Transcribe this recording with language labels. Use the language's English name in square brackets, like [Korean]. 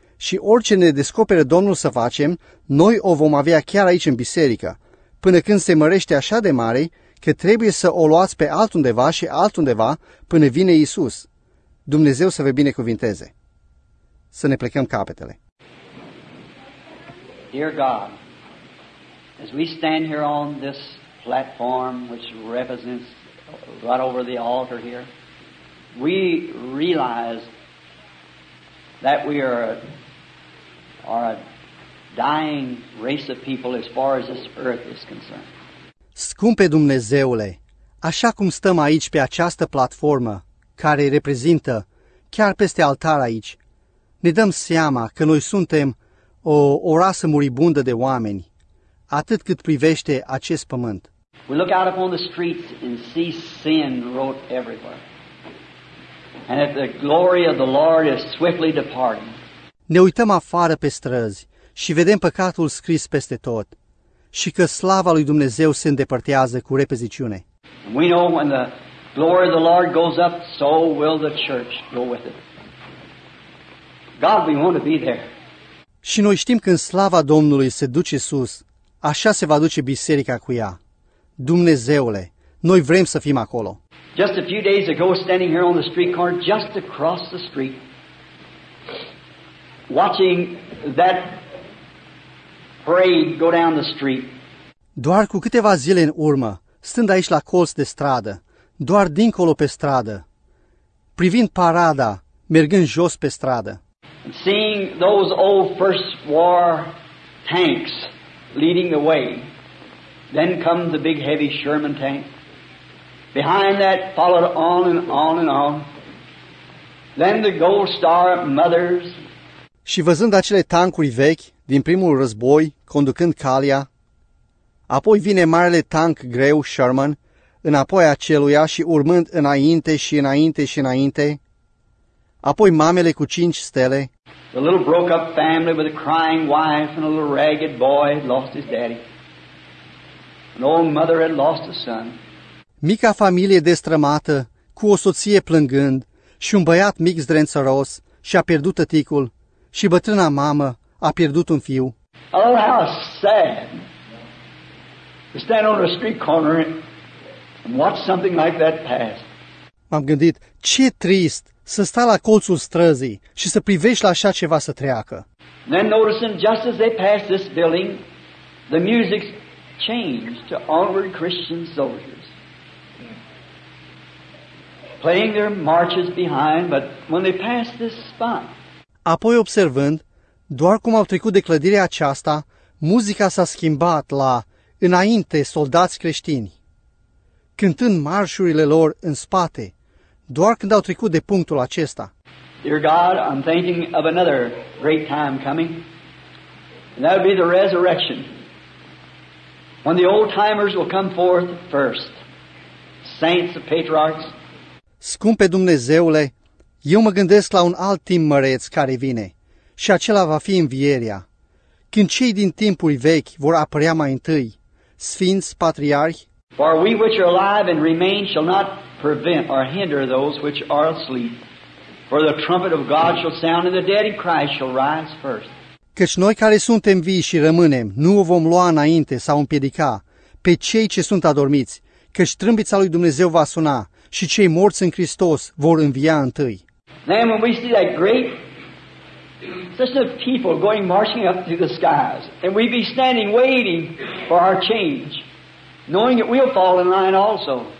[Romanian] Și orice ne descopere Domnul să facem, noi o vom avea chiar aici în biserică, până când se mărește așa de mare că trebuie să o luați pe altundeva și altundeva până vine Iisus. Dumnezeu să vă binecuvinteze. Să ne plecăm capetele. [English] Dear God, as we stand here on this platform which represents right over the altar here, we realize that we are a dying race of people as far as this earth is concerned. [Romanian] Scumpe Dumnezeule, așa cum stăm aici pe această platformă care reprezintă chiar peste altar aici, ne dăm seama că noi suntem o, o rasă muribundă de oameni, atât cât privește acest pământ. [English] We look out upon the streets and see sin wrote everywhere. And if the glory of the Lord is swiftly departing. [Romanian] Ne uităm afară pe străzi și vedem păcatul scris peste tot și că slava lui Dumnezeu se îndepărtează cu repeziciune. [English] And we know when the glory of the Lord goes up, so will the church go with it. God, we want to be there. [Romanian] Și noi știm când slava Domnului se duce sus, așa se va duce biserica cu ea. Dumnezeule, noi vrem să fim acolo. [English] Just a few days ago, standing here on the street corner, just across the street, watching that parade go down the street. [Romanian] Doar cu câteva zile în urmă, stând aici la colț de stradă, doar dincolo pe stradă, privind parada, mergând jos pe stradă. [English] And seeing those old First War tanks leading the way, then come the big heavy Sherman tank. Behind that followed on and on and on. Then the Gold Star mothers. [Romanian] Și văzând acele tancuri vechi din primul război, conducând calia, apoi vine marele tank greu Sherman, înapoi aceluia și urmând înainte și înainte și înainte, apoi mamele cu cinci stele. [English] The little broke-up family with a crying wife and a little ragged boy had lost his daddy. An old mother had lost a son. [Romanian] Mica familie destrămată, cu o soție plângând, și un băiat mic zdrențăros și-a pierdut tăticul, și bătrâna mamă a pierdut un fiu. [English] Oh, how sad to stand on a street corner and watch something like that pass. [Romanian] M-am gândit, ce trist să stai la colțul străzii și să privești la așa ceva să treacă. [English] Then noticing just as they passed this building, the music changed to Onward Christian Soldiers. Playing their marches behind, but when they passed this spot. [Romanian] Apoi observând, doar cum au trecut de clădirea aceasta, muzica s-a schimbat la Înainte Soldați Creștini, cântând marșurile lor în spate. Doar când au trecut de punctul acesta. [English] Dear God, I'm thinking of another great time coming. And that would be the resurrection. When the old timers will come forth first. Saints and patriarchs. [Romanian] Scumpe Dumnezeule, eu mă gândesc la un alt timp măreț care vine. Și acela va fi învierea. Când cei din timpuri vechi vor apărea mai întâi. Sfinți, patriarhi. [English] For we which are alive and remain shall not prevent or hinder those which are asleep. For the trumpet of God shall sound, and the dead in Christ shall rise first. [Romanian] Căci noi care suntem vii și rămânem, nu o vom lua înainte sau împiedica pe cei ce sunt adormiți, căci trâmbița lui Dumnezeu va suna și cei morți în Hristos vor învia întâi. [English] Then when we see that great such of people going marching up through the skies, and we be standing waiting for our change, knowing that we'll fall in line also.